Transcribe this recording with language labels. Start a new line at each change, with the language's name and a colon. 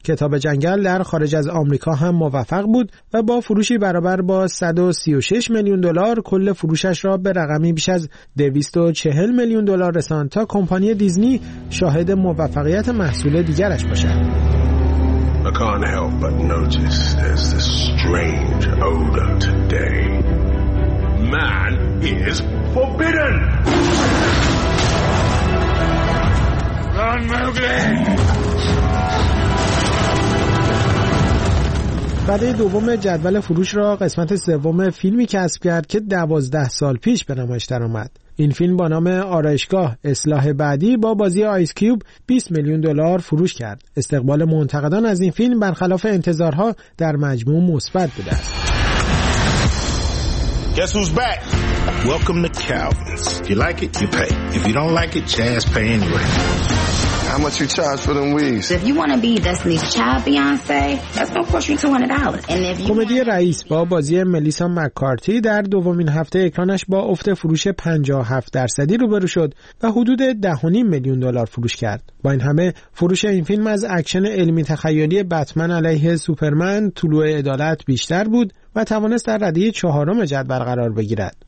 Persian: کتاب جنگل در خارج از آمریکا هم موفق بود و با فروشی برابر با 136 میلیون دلار کل فروشش را به رقمی بیش از 240 میلیون دلار رساند تا کمپانی دیزنی شاهد موفقیت محصول دیگرش باشد.
English: I can't help but notice there's this strange odor today. Man is forbidden! Run, Mowgli!
Persian: بعده دوم جدول فروش را قسمت سوم فیلمی کسب کرد که 12 سال پیش به نمایش درآمد. این فیلم با نام آرایشگاه اصلاح بعدی با بازی آیس کیوب 20 میلیون دلار فروش کرد. استقبال منتقدان از این فیلم برخلاف انتظارها در مجموع مثبت بوده است.
English: Guess who's back? Welcome to Calvin's. If you like it, you pay. If you don't like it, Jazz pay anyway. How much you charge for them wigs? If you want to be Destiny's Child Beyonce, that's gonna cost you $200. And if you
Persian: کمدی رئیس با بازی ملیسا مک‌کارتی در دومین هفته اکرانش با افت فروش 57% روبرو شد و حدود 10.5 میلیون دلار فروش کرد. با این همه فروش این فیلم از اکشن علمی تخیلی بتمن علیه سوپرمن طلوع عدالت بیشتر بود و توانست در رده 4 جدول قرار بگیرد.